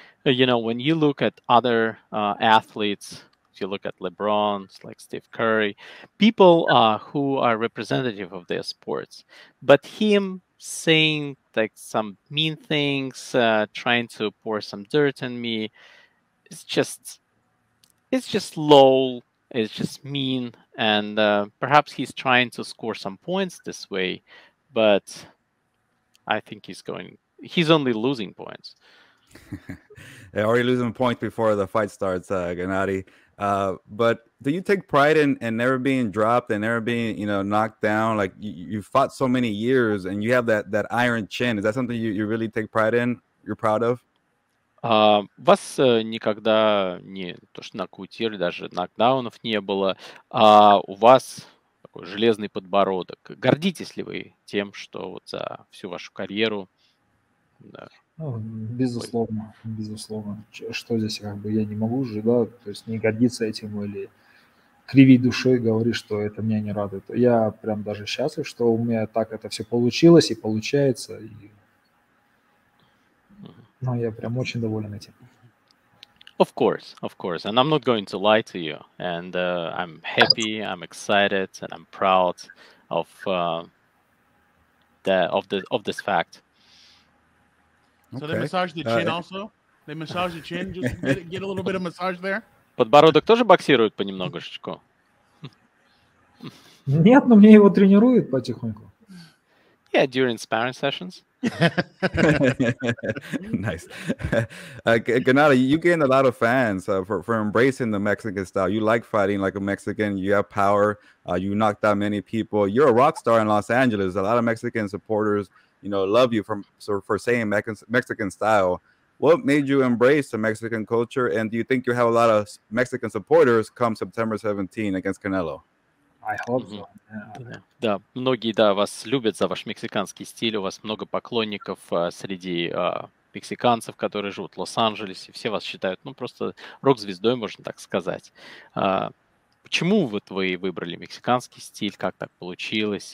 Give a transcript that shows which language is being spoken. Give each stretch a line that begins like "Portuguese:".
English: You know, when you look at other athletes, if you look at LeBron, like Steve Curry, people who are representative of their sports, but him saying like some mean things, trying to pour some dirt on me, it's just low, it's just mean, and perhaps he's trying to score some points this way, but I think he's only losing points. Yeah, already losing points before the fight starts, Gennadiy. But do you take pride in never being dropped and never being, you know, knocked down? Like you fought so many years and you have that iron chin. Is that something you really take pride in? You're proud of?
Russian: Вас никогда не то что нокаутировали, даже нокдаунов не было. У вас такой железный подбородок. Гордитесь ли вы тем, что вот за всю вашу карьеру? Да. Ну, безусловно, что здесь как бы я не могу же, да, то есть не гордиться этим или кривить душой, говорить, что это меня не радует. Я прям даже счастлив, что у меня так это все получилось и получается, и... Ну, я прям очень доволен этим.
English: Of course, and I'm not going to lie to you, and I'm happy, I'm excited, and I'm proud of this fact. So okay. They massage the chin also? They massage the chin? Just get a little bit of massage there?
Russian: Подбородок тоже боксируют понемногушечку? Нет, но мне его тренируют потихоньку.
English: Yeah, during sparring sessions. Nice. Gennadiy, you gained a lot of fans for embracing the Mexican style. You like fighting like a Mexican. You have power. You knocked out many people. You're a rock star in Los Angeles. A lot of Mexican supporters, you know, love you for saying Mexican style. What made you embrace the Mexican culture? And do you think you have a lot of Mexican supporters come September 17 against Canelo? I hope so. Yeah.
Russian: Да, многие, да, вас любят за ваш мексиканский стиль. У вас много поклонников среди мексиканцев, которые живут в Лос-Анджелесе. Все вас считают, ну, просто рок-звездой, можно так сказать. Почему вот вы выбрали мексиканский стиль? Как так получилось?